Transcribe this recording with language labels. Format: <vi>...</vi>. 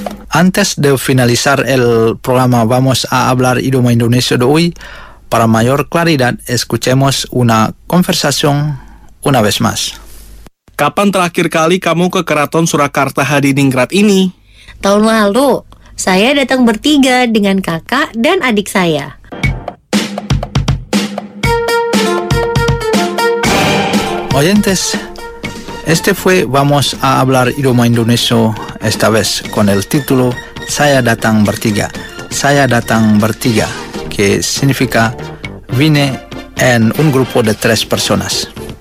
<es>Antes de finalizar el programa, vamos a hablar idioma indonesio de hoy. para mayor claridad, escuchemos una conversación una vez más.</es> <id>Kapan terakhir kali kamu ke Keraton Surakarta Hadiningrat ini? Tahun lalu, saya datang bertiga dengan kakak dan adik saya.</id> <es>Oyentes, este fue Vamos a Hablar Idioma Indonesio, esta vez con el título Saya Datang Bertiga. Saya Datang Bertiga, que significa vine en un grupo de tres personas.</es>